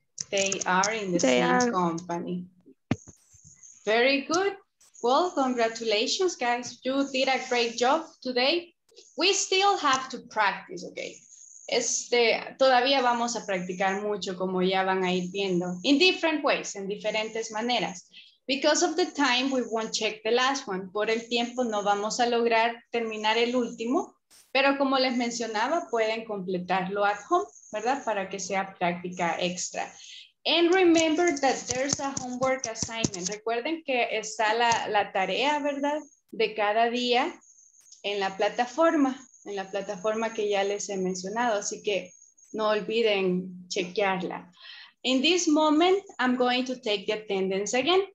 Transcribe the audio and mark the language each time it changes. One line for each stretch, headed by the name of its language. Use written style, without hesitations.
English: They are in the they same are. Company. Very good. Well, congratulations, guys. You did a great job today. We still have to practice, okay?
Spanish: Todavía vamos a practicar mucho, como ya van a ir viendo.
English: In different ways,
Spanish: en diferentes maneras.
English: Because of the time, we won't check the last one.
Spanish: Por el tiempo, no vamos a lograr terminar el último. Pero como les mencionaba, pueden completarlo
English: at home,
Spanish: ¿verdad? Para que sea práctica extra.
English: And remember that there's a homework assignment.
Spanish: Recuerden que está la tarea, ¿verdad? De cada día en la plataforma que ya les he mencionado. Así que no olviden chequearla.
English: In this moment, I'm going to take the attendance again.